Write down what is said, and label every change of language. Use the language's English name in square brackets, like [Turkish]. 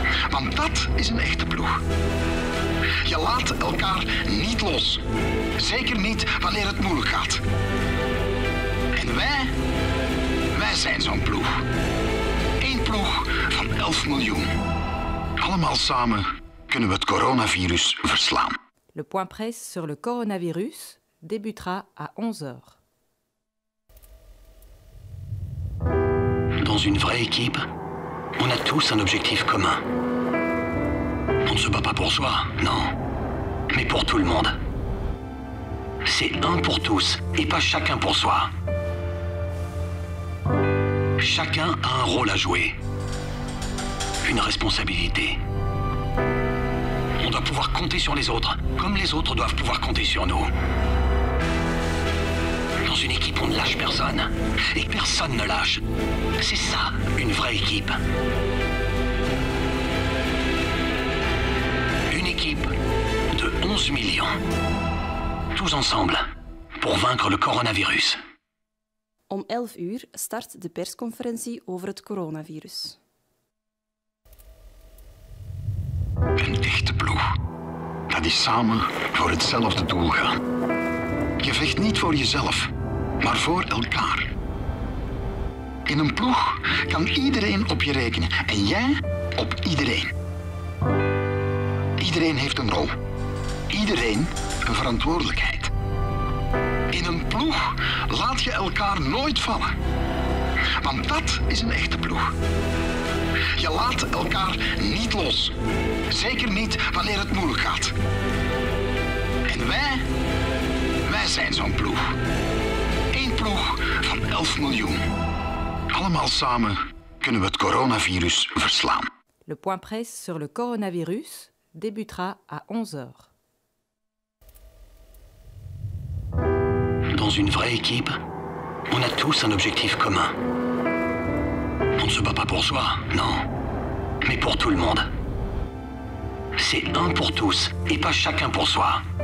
[Dutch] Want dat is een echte ploeg. Je laat elkaar niet los. Zeker niet wanneer het moeilijk gaat. En wij zijn zo'n ploeg. Eén ploeg van 11 miljoen. Allemaal samen kunnen we het coronavirus verslaan. [French] Le point presse sur le coronavirus débutera à 11h. Dans une vraie équipe, on a tous un objectif commun. On ne se bat pas pour soi, non. Mais pour tout le monde. C'est un pour tous et pas chacun pour soi. Chacun a un rôle à jouer. Une responsabilité. On doit pouvoir compter sur les autres, comme les autres doivent pouvoir compter sur nous. Dans une équipe, on ne lâche personne. Et personne ne lâche. C'est ça, une vraie équipe. Une équipe de 11 millions. Tous ensemble, pour vaincre le coronavirus. [Dutch] Om 11 uur start de persconferentie over het coronavirus. Een dichte ploeg. Dat is samen voor hetzelfde doel gaan. Je vecht niet voor jezelf. Maar voor elkaar. In een ploeg kan iedereen op je rekenen en jij op iedereen. Iedereen heeft een rol. Iedereen een verantwoordelijkheid. In een ploeg laat je elkaar nooit vallen. Want dat is een echte ploeg. Je laat elkaar niet los. Zeker niet wanneer het moeilijk gaat. En wij zijn zo'n ploeg. Van 11 miljoen. Allemaal samen kunnen we het coronavirus verslaan. [French] Le point presse sur le coronavirus débutera à 11h. Dans une vraie équipe, on a tous un objectif commun. On ne se bat pas pour soi, non. Mais pour tout le monde. C'est un pour tous et pas chacun pour soi.